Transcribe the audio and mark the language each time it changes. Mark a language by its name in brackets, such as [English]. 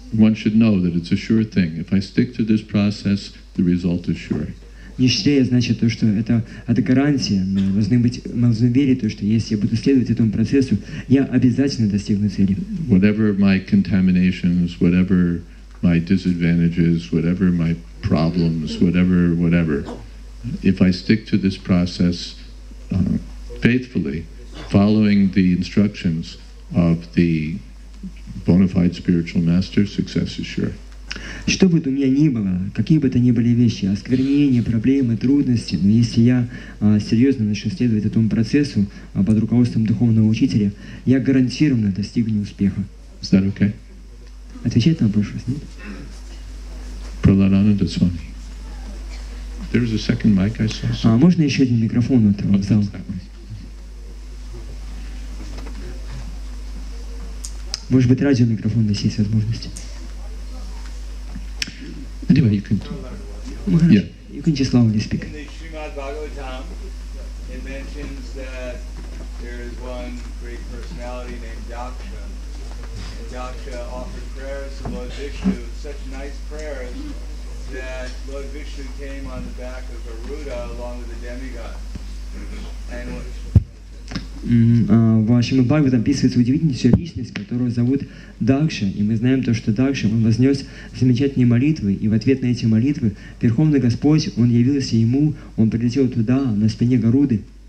[English] One should know that it's a sure thing. If I stick to this process, the result is sure. [Russian] Нишчая значит то, что это гарантия. Мы должны быть, мы должны верить то, что если я буду следовать этому процессу, я обязательно достигну цели. [English] Whatever my contaminations, whatever my disadvantages, whatever my problems, whatever, if I stick to this process faithfully, following the instructions of the bona fide spiritual master, success is sure. [Russian] Что бы у меня ни было, какие бы то ни были вещи, осквернения, проблемы, трудности, но если я серьезно начну следовать этому процессу под руководством духовного учителя, я гарантированно достигну успеха. [English] Is that okay? [Russian] Отвечает на вопрос, нет? [English] Prahladananda Swami. There is a second mic I saw. [Russian] А можно еще один микрофон от этого зала? Может быть, радиомикрофон здесь есть возможность. [English] Anyway, you can. Yeah. You can just loudly speak. In the Srimad Bhagavatam, it mentions that there is one great personality named Daksha. And Daksha offered prayers to Lord Vishnu, such nice prayers, that Lord Vishnu came on the back of Garuda along with the demigod. And what [Russian] В Шримад Бхагаватам описывается удивительная личность, которую зовут Дакша. И мы знаем то, что Дакша, он вознес замечательные молитвы. И в ответ на эти молитвы Верховный Господь, он явился ему, он прилетел туда, на спине Гаруды.